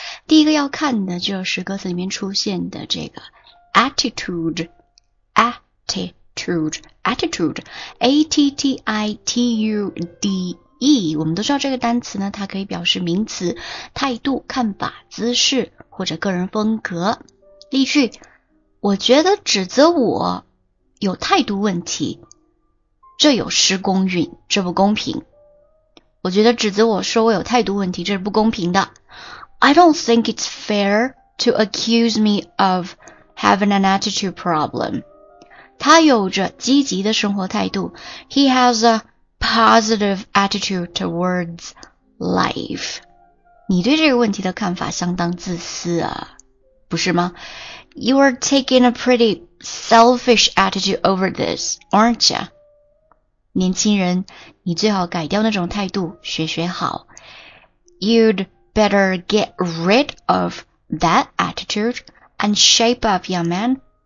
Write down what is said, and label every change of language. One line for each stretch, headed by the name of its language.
Chinese: 第一个要看的就是歌词里面出现的这个 attitude attitude， 我们都知道这个单词呢，它可以表示名词、态度、看法、姿势或者个人风格。例句，我觉得指责我有态度问题，这有失公允，这不公平。我觉得指责我说我有态度问题，这是不公平的。
English: I don't think it's fair to accuse me of having an attitude problem.
Chinese: 他有着积极的生活态度。
English: He has a positive attitude towards life.
Chinese: 你对这个问题的看法相当自私啊，不是吗？
English: You are taking a pretty selfish attitude over this, aren't you?
Chinese: 年轻人，你最好改掉那种态度，学学好。
English: You'd better get rid of that attitude and shape up, young man.